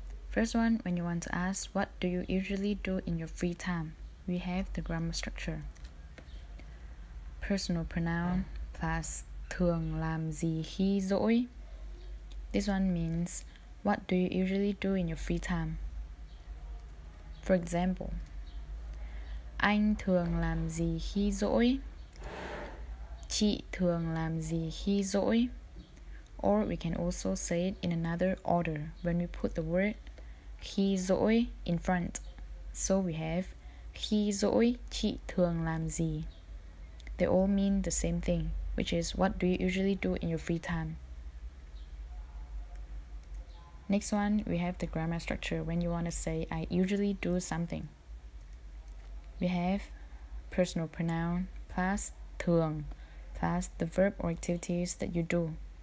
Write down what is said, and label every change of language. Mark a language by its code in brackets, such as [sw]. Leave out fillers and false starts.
[en] First one, when you want to ask what do you usually do in your free time, we have the grammar structure. Personal pronoun plus [vi] thường làm gì khi rỗi. [en] This one means what do you usually do in your free time. For example, [vi] anh thường làm gì khi rỗi? Chị thường làm gì khi rỗi? [en] Or we can also say it in another order when we put the word khi rỗi in front. So we have [vi] khi rỗi chị thường làm gì. [en] They all mean the same thing, which is what do you usually do in your free time. Next one, we have the grammar structure when you want to say I usually do something. We have personal pronoun plus thường plus the verb or activities that you do.